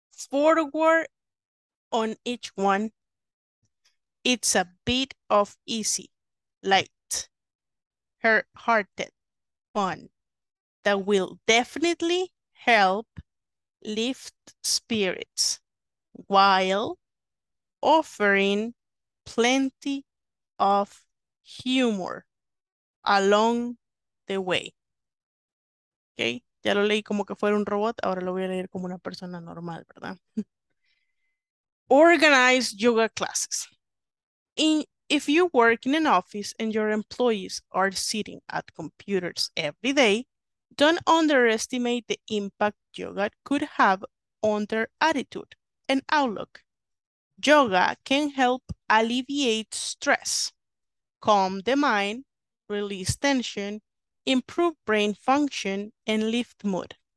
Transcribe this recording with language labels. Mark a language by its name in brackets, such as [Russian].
[English] Forward on each one. It's a bit of easy, light, hearted fun that will definitely help lift spirits while offering plenty of humor along the way. [Spanish] Okay, ya lo leí como que fuera un robot, ahora lo voy a leer como una persona normal, ¿verdad? [English] Organize yoga classes. If you work in an office and your employees are sitting at computers every day, don't underestimate the impact yoga could have on their attitude and outlook. Yoga can help alleviate stress, calm the mind, release tension, improve brain function, and lift mood.